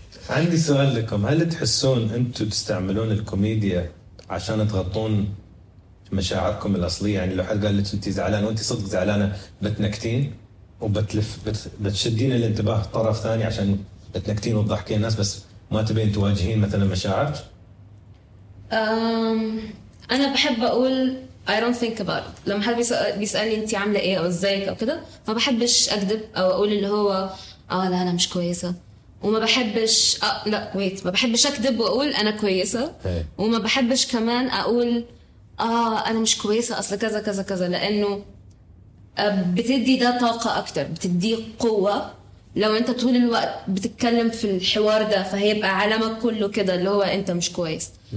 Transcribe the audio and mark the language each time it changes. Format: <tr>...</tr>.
<ar>عندي سؤال لكم هل تحسون انتم تستعملون الكوميديا عشان تغطون مشاعركم الاصليه يعني لو حد قال لك انت زعلانه وانت صدق زعلانه بتنكتين وبتلف بتشدين الانتباه طرف ثاني عشان تنكتين وتضحكين الناس بس ما تبين تواجهين مثلا مشاعرك انا بحب اقول</ar> <en>I don't think about it.</en> <ar>لما حد بيسالني انت عامله ايه او ازيك او كده ما بحبش اكذب او اقول اللي هو لا انا مش كويسه وما بحبش لا ويت ما بحبش اكذب واقول انا كويسه وما بحبش كمان اقول انا مش كويسه اصل كذا كذا كذا، لانه بتدي ده طاقه اكتر، بتدي قوه لو انت طول الوقت بتتكلم في الحوار ده، فهيبقى عالمك كله كده اللي هو انت مش كويس.</ar>